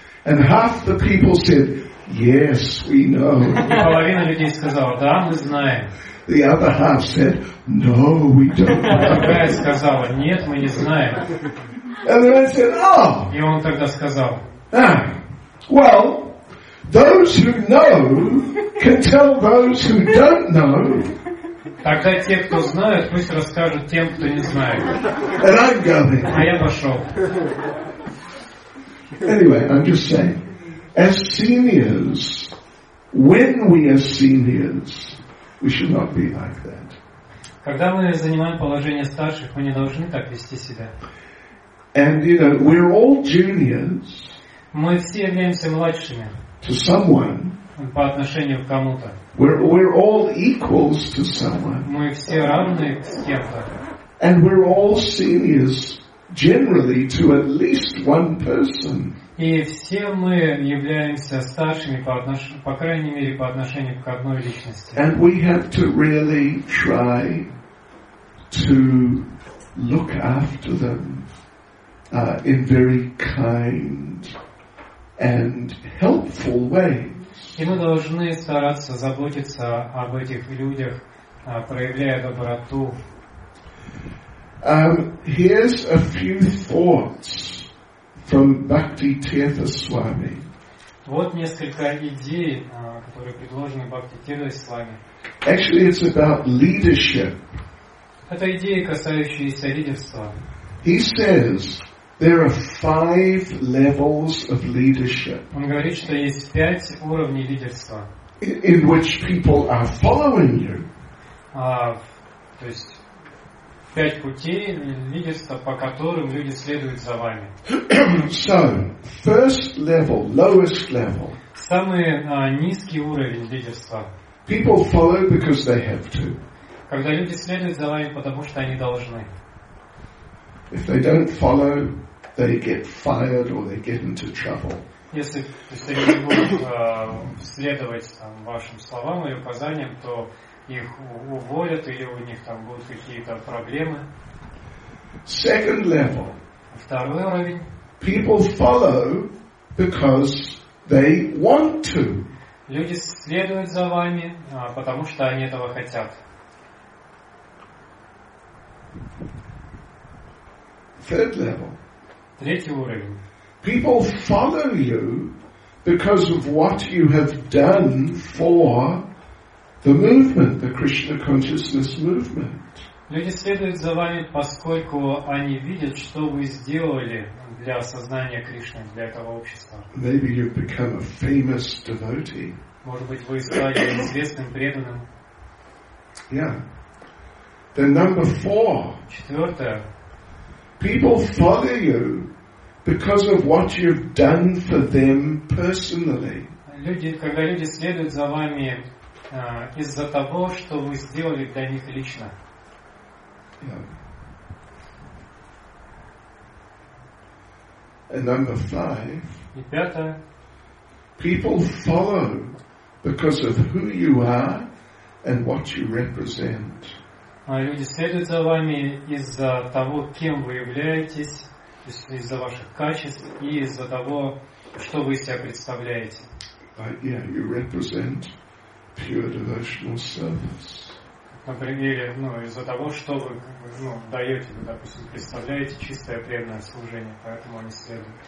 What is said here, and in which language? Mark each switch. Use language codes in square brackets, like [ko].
[en] And half the people said, "Yes, we know." [ru] И половина людей сказала: да, мы знаем. [en] The other half said, "No, we don't know." [ru] Другая сказала: нет, мы не знаем. [en] And then I said, "Oh." [ru] И он тогда сказал: [en] well, those who know can tell those who don't know. [ru] Тогда те, кто знают, пусть расскажут тем, кто не знает. [en] And I'm going. [ru] А я пошел. [en] Anyway, I'm just saying, as seniors, when we are seniors, we should not be like that. [ru] Когда мы занимаем положение старших, мы не должны так вести себя. [en] And you know, we're all juniors. [ru] Мы все являемся младшими. [en] To someone. [ru] По отношению к кому-то. [en] We're all equals to someone. [ru] Мы все равны с кем-то. [en] And we're all seniors generally to at least one person. [ru] И все мы являемся старшими по крайней мере по отношению к одной личности. [en] And we have to really try to look after them in very kind and helpful ways. [ru] И мы должны стараться заботиться об этих людях, проявляя доброту. [en] Here's a few thoughts from Bhakti Tirtha Swami. [ru] Вот несколько идей, которые предложены Бхакти Тирта Свами. [en] Actually, it's about leadership. [ru] Это идеи, касающиеся лидерства. [en] He says there are 5 levels of leadership. [ru] Он говорит, что есть 5 уровней лидерства. [en] In which people are following you. [ru] То есть 5 путей лидерства, по которым люди следуют за вами. [en] So, first level, lowest level. [ru] Самый низкий уровень лидерства. [en] People follow because they have to. [ru] Когда люди следуют за вами, потому что они должны. [en] If they don't follow, they get fired or they get into trouble. [ru] Если они не будут следовать там вашим словам или указаниям, то их уволят или у них там будут какие-то проблемы. [en] Second level. [ru] Второй уровень. [en] People follow because they want to. [ru] Люди следуют за вами, потому что они этого хотят. [en] Third level. [ru] Третий уровень. [en] People follow you because of what you have done for the movement, the Krishna consciousness movement. [ru] Люди следуют за вами, поскольку они видят, что вы сделали для сознания Кришны, для этого общества. [en] Maybe you've become a famous devotee. [ru] Может быть, вы стали известным преданным. [en] Yeah. Then number 4. [ru] Четвертое. [en] People follow you because of what you've done for them personally. [ru] Люди, когда люди следуют за вами из-за того, что вы сделали для них лично. [en] Yeah. And number 5. [ru] И пятое. [en] People follow because of who you are and what you represent. [ru] Люди следуют за вами из-за того, кем вы являетесь, из-за ваших качеств и из-за того, что вы из себя представляете. [en] Yeah, you represent pure devotional service. [ru] например, ну, из-за того, что вы, ну, даете, допустим, представляете чистое преданное служение, поэтому они следуют.